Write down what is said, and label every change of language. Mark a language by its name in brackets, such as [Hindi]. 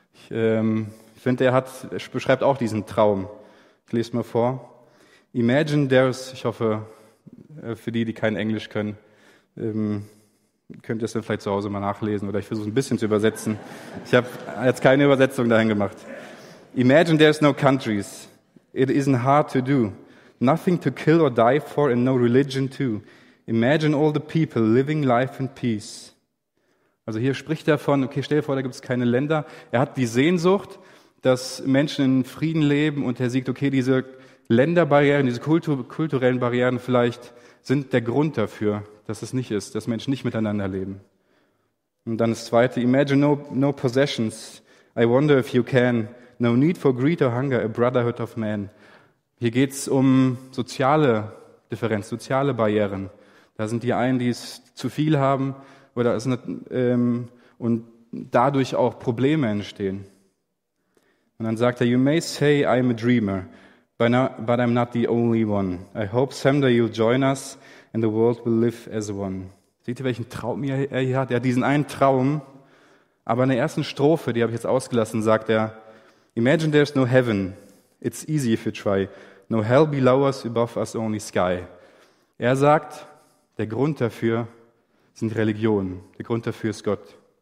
[German] Er beschreibt auch diesen Traum. Ich lese mal vor. [English] Imagine there's, [German] ich hoffe, für die, die kein Englisch können, Könnt ihr es dann vielleicht zu Hause mal nachlesen oder ich versuche es ein bisschen zu übersetzen. Ich habe jetzt keine Übersetzung dahin gemacht. [English] Imagine there's no countries. It isn't hard to do. Nothing to kill or die for and no religion too. Imagine all the people living life in peace. [German] Also hier spricht er von, okay, stell dir vor, da gibt es keine Länder. Er hat die Sehnsucht, dass Menschen in Frieden leben und er sieht, okay, diese Länderbarrieren, diese kulturellen Barrieren vielleicht sind der Grund dafür, dass es nicht ist, dass Menschen nicht miteinander leben. Und dann das Zweite, [English] imagine no possessions. I wonder if you can. No need for greed or hunger, a brotherhood of man. [German] Hier geht's um soziale Differenz, soziale Barrieren. Da sind die einen, die es zu viel haben oder es nicht, und dadurch auch Probleme entstehen. Und dann sagt er, [English] you may say I'm a dreamer, but I'm not the only one. I hope someday you'll join us and the world will live as one. [German] Seht ihr, welchen Traum er hier hat? Er hat diesen einen Traum, aber in der ersten Strophe, die habe ich jetzt ausgelassen, sagt er, [English] imagine there's no heaven. It's easy if you try. No hell below us, above us only sky. [German] Er sagt, der Grund dafür sind Religionen. Der Grund dafür ist Gott.